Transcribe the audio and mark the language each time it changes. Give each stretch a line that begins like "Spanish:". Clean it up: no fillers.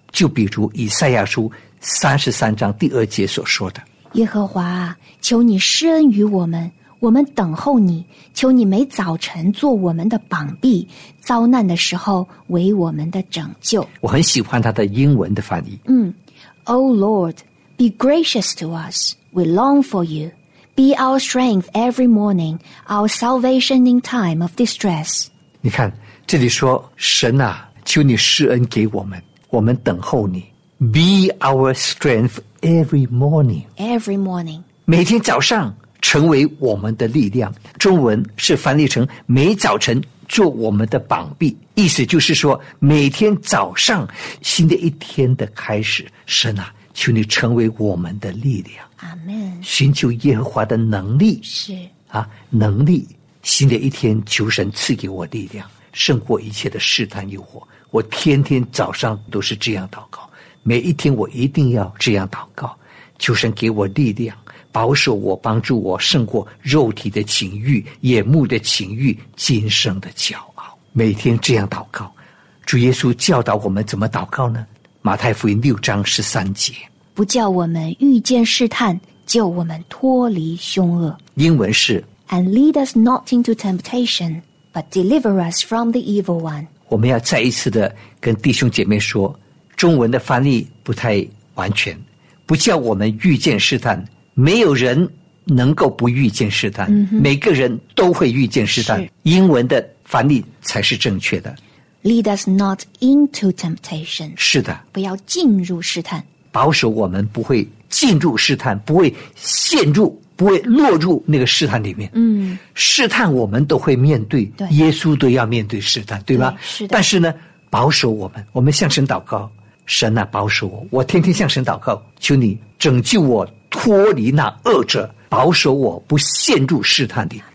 Chinese: 就比如以赛亚书33:2所说的，耶和华，求你施恩于我们，我们等候你，求你每早晨做我们的膀臂，遭难的时候为我们的拯救。我很喜欢他的英文的翻译。
English: O Lord, be gracious to us, we long for you. Be our strength every morning, our salvation in time of distress.
Chinese: 你看这里说，神啊，求你施恩给我们，我们等候你。
English: Be our strength every morning. Every morning.
Chinese: 每天早上成为我们的力量。中文是翻译成每早晨做我们的膀臂。意思就是说，每天早上新的一天的开始，神啊，求你成为我们的力量。
English: Amen.
Chinese: 寻求耶和华的能力，是啊，能力，新的一天求神赐给我力量，胜过一切的试探诱惑。我天天早上都是这样祷告，每一天我一定要这样祷告，求神给我力量，保守我，帮助我胜过肉体的情欲、眼目的情欲、今生的骄傲。每天这样祷告，主耶稣教导我们怎么祷告呢？马太福音六章十三节，不叫我们遇见试探，救我们脱离凶恶。英文是
English: And lead us not into temptation, but deliver us from the evil one.
Chinese: 我们要再一次的跟弟兄姐妹说，中文的翻译不太完全，不叫我们遇见试探。没有人能够不遇见试探，每个人都会遇见试探。英文的翻译才是正确的。
English: Lead us not into temptation.
Chinese: 是的，不要进入试探。保守我们不会进入试探，不会陷入，不会落入那个试探里面。嗯，试探我们都会面对，对，耶稣都要面对试探，对吧？对，是的。但是呢，保守我们，我们向神祷告，神啊，保守我，我天天向神祷告，求你拯救我，脱离那恶者，保守我不陷入试探里。